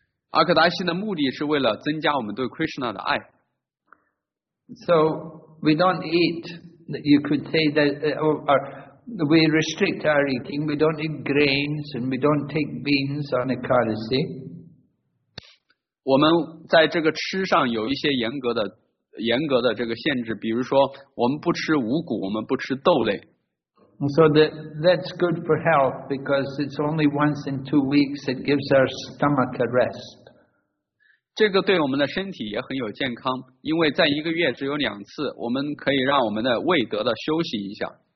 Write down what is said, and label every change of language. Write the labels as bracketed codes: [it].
[zh] Akadashi 的目的是为了增加我们对 Krishna 的爱。 [en] So we don't eat. You could say that, or we restrict our eating. We don't eat grains and we don't take beans on Akadashi. [zh] 我们在这个吃上有一些严格的这个限制，比如说我们不吃五谷，我们不吃豆类。 [en] So that's good for health because it's only once in 2 weeks it gives our stomach a rest. [zh] 这个对我们的身体也很有健康，因为在一个月只有两次，我们可以让我们的胃得到休息一下。